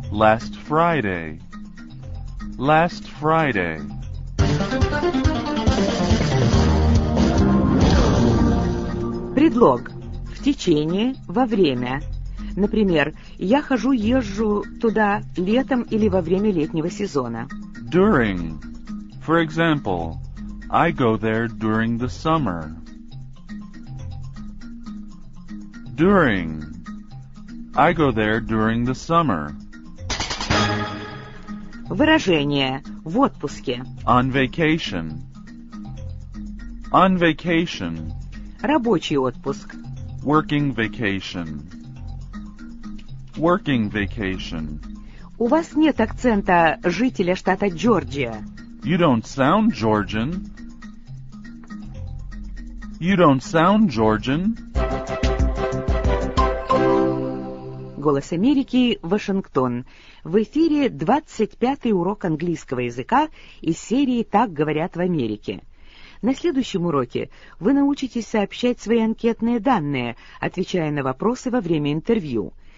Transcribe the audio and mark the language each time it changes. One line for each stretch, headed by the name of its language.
English: Last Friday. Last Friday.
Russian: Предлог. В течение, во время. Например, я хожу, езжу туда летом или во время летнего сезона.
English: During. For example, I go there during the summer. During. I go there during the summer.
Russian: Выражение. В отпуске.
English: On vacation. On vacation.
Russian: Рабочий отпуск.
English: Working vacation. Working vacation.
Russian: У вас нет акцента жителя штата Джорджия.
English: You don't sound Georgian. You don't sound Georgian.
Russian: Голос Америки, Вашингтон. В эфире 25-й урок английского языка из серии «Так говорят в Америке». На следующем уроке вы научитесь сообщать свои анкетные данные, отвечая на вопросы во время интервью.